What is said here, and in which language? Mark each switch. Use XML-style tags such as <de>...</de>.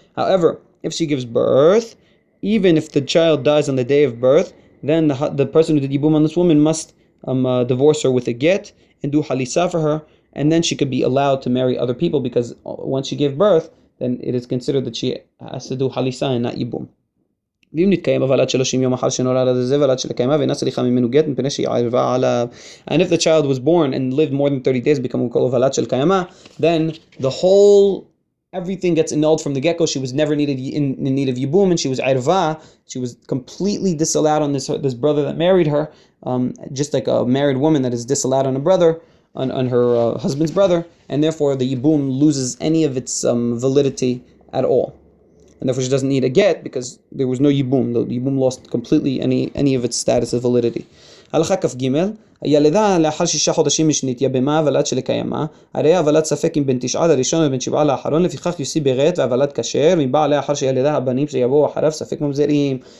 <en>However, if she gives birth, even if the child dies on the day of birth, then the person who did yibum on this woman must divorce her with a get and do halisa for her, and then she could be allowed to marry other people, because once she gave birth, then it is considered that she has to do halisa and not yibum.</en> <he>ואם נתקיים בוולד 30 יום אחר שנולד, אז זה וולד שלקיימה ואינה צריכה ממנו גט מפני שהיא ערבה עליו.</he> <en>And if the child was born and lived more than 30 days, become called וולד שלקיימה, then the whole everything gets annulled from the get-go. She was never needed in need of yibum, and she was arva. She was completely disallowed on this brother that married her, just like a married woman that is disallowed on a brother, on her husband's brother, and therefore the yibum loses any of its validity at all. And therefore she doesn't need a get, because there was no yibum. The yibum lost completely any of its status of validity.</en> <he>הלכה כף גימל, הילדה לאחר שישה חודשים שנתייבמה הוולד שלקיימה, הרי הוולד ספק אם בן תשעה לראשון ובן שבעה לאחרון, לפיכך יוסי ברט והוולד כשר, מבעל לאחר שילדה הבנים שיבואו אחריו ספק ממזרים.</he>